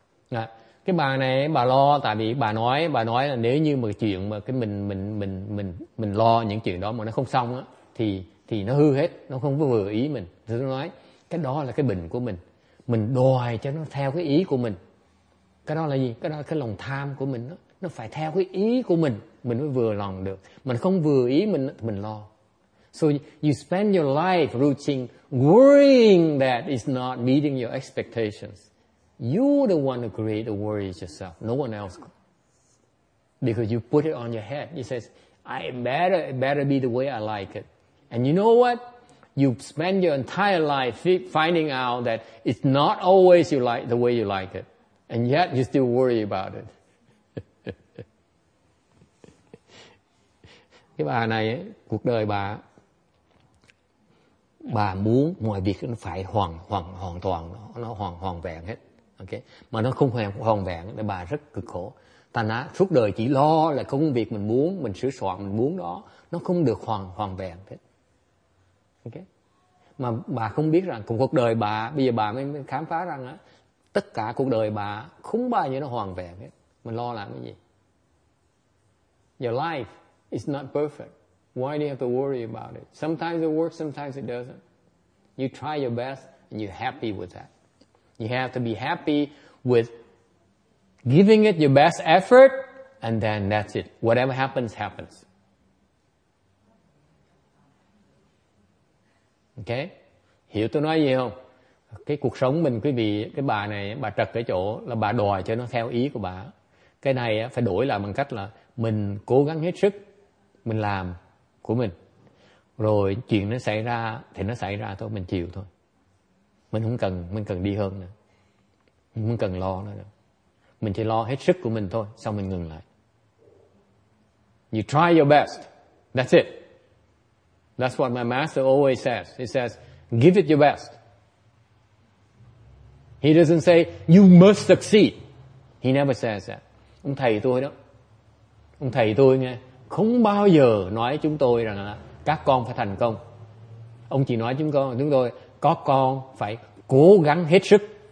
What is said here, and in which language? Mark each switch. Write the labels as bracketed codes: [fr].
[vi] À, cái bà này bà lo tại vì bà nói là nếu như mà chuyện mà cái mình lo những chuyện đó mà nó không xong á thì nó hư hết, nó không có vừa ý mình. Thì tôi nói cái đó là cái bệnh của mình. Mình đòi cho nó theo cái ý của mình. Cái đó là gì? Cái đó là cái lòng tham của mình đó. Nó phải theo cái ý của mình mới vừa lòng được. Mình không vừa ý mình thì mình lo. [en] So you spend your life rooting worrying that it's not meeting your expectations. You're the one who create the worries yourself. No one else. Because you put it on your head. It says, it better be the way I like it. And you know what? You spend your entire life finding out that it's not always you like the way you like it. And yet you still worry about it. [vi] Cái bà này, cuộc đời bà muốn mọi việc nó phải hoàn toàn, nó hoàn vẹn hết. Okay? Mà nó không hoàn vẹn, thì bà rất cực khổ. Thành ra suốt đời chỉ lo là công việc mình muốn, mình sửa soạn, mình muốn đó, nó không được hoàn vẹn hết. Okay? Mà bà không biết rằng cuộc đời bà, bây giờ bà mới khám phá rằng á, tất cả cuộc đời bà không bao giờ nó hoàn vẹn hết. Mình lo làm cái gì? [en] Your life is not perfect. Why do you have to worry about it? Sometimes it works, sometimes it doesn't. You try your best and you're happy with that. You have to be happy with giving it your best effort and then that's it. Whatever happens, happens. [vi] Okay? Hiểu tôi nói gì không? Cái cuộc sống mình quý vị, cái bà này, bà trật ở chỗ là bà đòi cho nó theo ý của bà. Cái này phải đổi lại bằng cách là mình cố gắng hết sức, mình làm của mình. Rồi chuyện nó xảy ra thì nó xảy ra thôi, mình chịu thôi. Mình không cần đi hơn nữa. Mình không cần lo nữa. Mình chỉ lo hết sức của mình thôi, xong mình ngừng lại. [en] You try your best. That's it. That's what my master always says. He says, give it your best. He doesn't say, you must succeed. He never says that. [vi] Ông thầy tôi đó. Ông thầy tôi nghe. Không bao giờ nói chúng tôi rằng là các con phải thành công. Ông chỉ nói chúng tôi, có con phải cố gắng hết sức.